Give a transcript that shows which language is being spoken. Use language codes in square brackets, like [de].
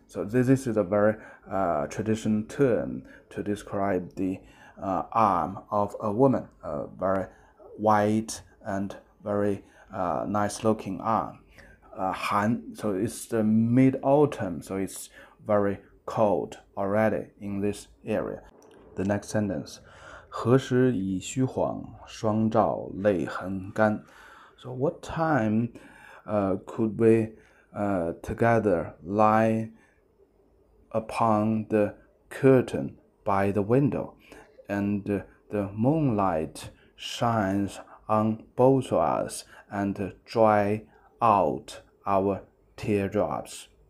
[en] So this is a very tradition term to describe the arm of a woman, a very white and very nice looking arm. Han, so it's the mid-autumn, so it's very cold already in this area. The next sentence. [zh] 何时已虚晃，双照泪痕干。 [en] So what time, could we, together lie upon the curtain by the window, and the moonlight shines on both of us and dry out our teardrops.